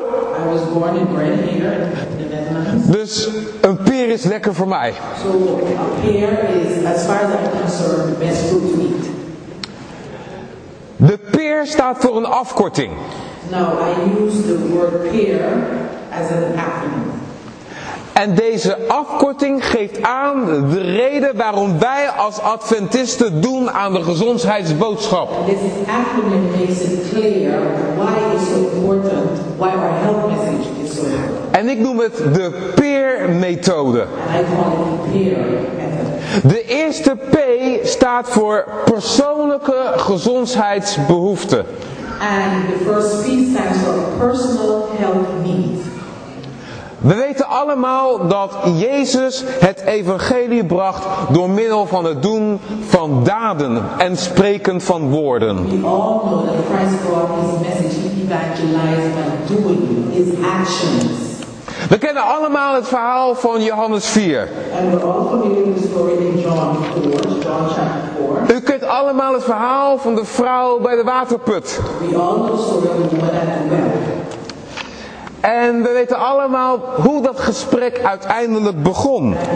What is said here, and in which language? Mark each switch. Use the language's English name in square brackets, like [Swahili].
[English] I was born and bred here in the Netherlands. [Dutch] Dus een peer is lekker voor mij. [English] So a peer is, as far as I'm concerned, the best fruit to eat. [Dutch] De peer staat voor een afkorting. [English] Now I use the word peer as an acronym. [Dutch] En deze afkorting geeft aan de reden waarom wij als Adventisten doen aan de gezondheidsboodschap. [English] This acronym makes it clear why it's so important, why our health message is so important. [Dutch] En ik noem het de peer-methode. [English] And I call it the peer method. [Dutch] De eerste P staat voor persoonlijke gezondheidsbehoeften. [English] And the first P stands for personal health needs. [Dutch] We weten allemaal dat Jezus het evangelie bracht door middel van het doen van daden en spreken van woorden. [English] We all know that Christ brought his message, evangelized by doing his actions. [Dutch] We kennen allemaal het verhaal van Johannes 4. [English] And we're all familiar with the story in John chapter 4. [Dutch] U kent allemaal het verhaal van de vrouw bij de waterput. [English] We all know the story of the woman at the well. [Dutch] En we weten allemaal hoe dat gesprek uiteindelijk begon.